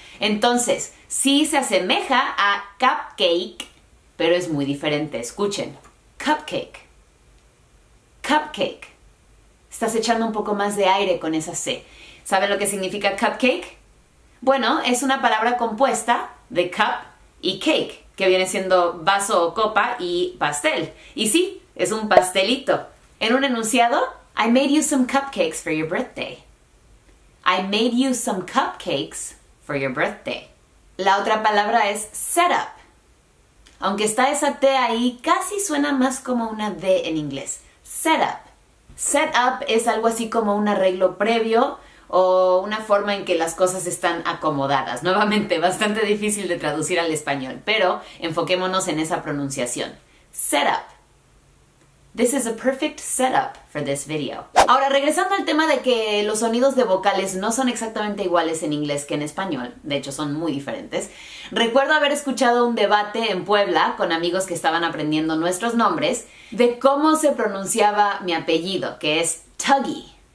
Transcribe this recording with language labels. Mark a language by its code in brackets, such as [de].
[es] Entonces, sí se asemeja a cupcake, pero es muy diferente. Escuchen. Cupcake. Cupcake. Estás echando un poco más de aire con esa C. ¿Saben lo que significa cupcake? Bueno, es una palabra compuesta de cup y cake, que viene siendo vaso o copa y pastel. Y sí, es un pastelito. En un enunciado, [en] I made you some cupcakes for your birthday. I made you some cupcakes for your birthday. [es] La otra palabra es setup. Aunque está esa T ahí, casi suena más como una D en inglés. Setup. Setup es algo así como un arreglo previo o una forma en que las cosas están acomodadas. Nuevamente, bastante difícil de traducir al español, pero enfoquémonos en esa pronunciación. Setup. [en] This is a perfect setup for this video. [es] Ahora, regresando al tema de que los sonidos de vocales no son exactamente iguales en inglés que en español, de hecho son muy diferentes, recuerdo haber escuchado un debate en Puebla con amigos que estaban aprendiendo nuestros nombres de cómo se pronunciaba mi apellido, que es Tuggy.